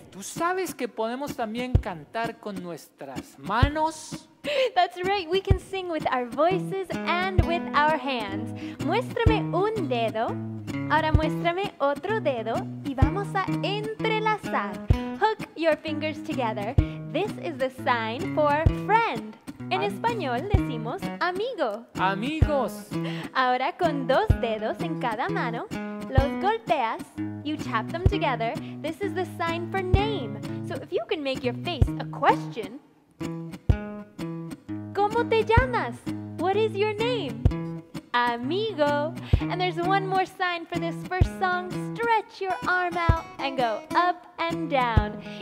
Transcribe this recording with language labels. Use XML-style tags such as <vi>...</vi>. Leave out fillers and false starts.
<es>¿Tú sabes que podemos también cantar con nuestras manos?</es> <en>That's right. We can sing with our voices and with our hands.</en> <es>Muéstrame un dedo. Ahora muéstrame otro dedo y vamos a entrelazar.</es> <en>Hook your fingers together. This is the sign for friend.</en> <es>En español decimos amigo. Amigos. Ahora con dos dedos en cada mano, los golpeas.</es> <en>You tap them together. This is the sign for name. So if you can make your face a question.</en> <es>¿Cómo te llamas?</es> <en>What is your name?</en> <es>Amigo.</es> <en>And there's one more sign for this first song. Stretch your arm out and go up and down.</en>